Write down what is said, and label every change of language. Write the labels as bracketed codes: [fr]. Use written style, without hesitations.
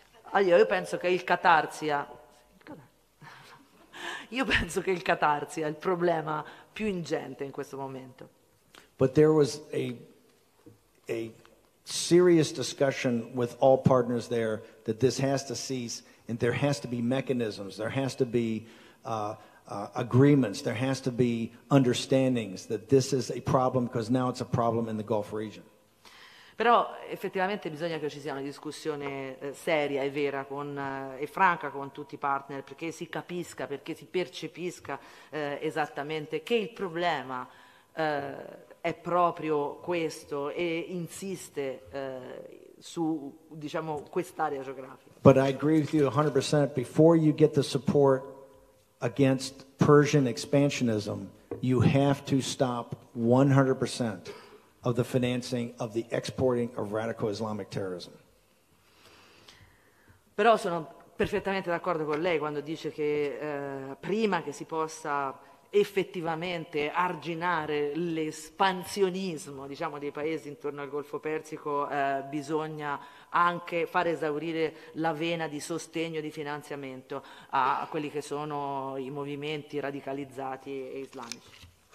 [it] Allora, io penso che il Qatar sia il problema più ingente in questo momento. [en] But there was a serious discussion with all partners there that this has to cease, and there has to be mechanisms, there has to be agreements, there has to be understandings that this is a problem because now it's a problem in the Gulf region. [it] Però effettivamente bisogna che ci sia una discussione seria e vera e franca con tutti i partner, perché si capisca, perché si percepisca esattamente che il problema è proprio questo e insiste su, diciamo, quest'area geografica. [en] But I agree with you 100%. Before you get the support against Persian expansionism, you have to stop 100% of the financing of the exporting of radical Islamic terrorism. [it] Però sono perfettamente d'accordo con lei quando dice che prima che si possa effettivamente arginare l'espansionismo, diciamo, dei paesi intorno al Golfo Persico, bisogna anche far esaurire la vena di sostegno e di finanziamento a quelli che sono i movimenti radicalizzati e islamici.